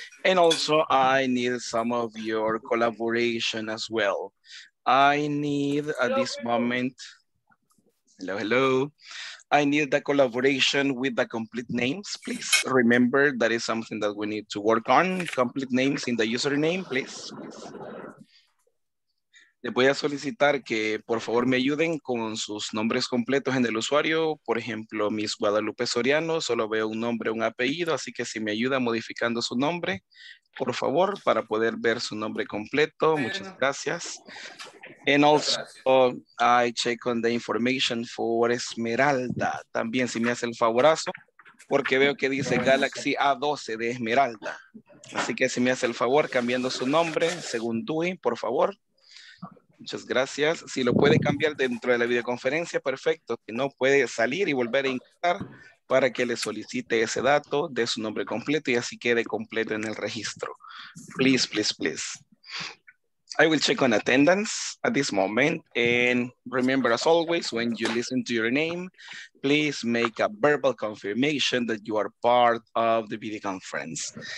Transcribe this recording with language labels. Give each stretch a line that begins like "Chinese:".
English: And also, I need some of your collaboration as well. I need at this moment. Hello, hello. I need the collaboration with the complete names, please. Remember, that is something that we need to work on. Complete names in the username, please.
Spanish: Le voy a solicitar que, por favor, me ayuden con sus nombres completos en el usuario. Por ejemplo, Miss Guadalupe Soriano, solo veo un nombre, un apellido, así que si me ayuda modificando su nombre, por favor, para poder ver su nombre completo. Muchas gracias.
English: And also, I check on the information for Esmeralda.
Spanish: También si me hace el favorazo, porque veo que dice Galaxy A12 de Esmeralda. Así que si me hace el favor, cambiando su nombre, según Dewey, por favor. Muchas gracias. Si lo puede cambiar dentro de la videoconferencia, perfecto. Si no, puede salir y volver a ingresar para que le solicite ese dato de su nombre completo y así quede completo en el registro.
English: Please, please, please. I will check on attendance at this moment. And remember, as always, when you listen to your name, please make a verbal confirmation that you are part of the video conference.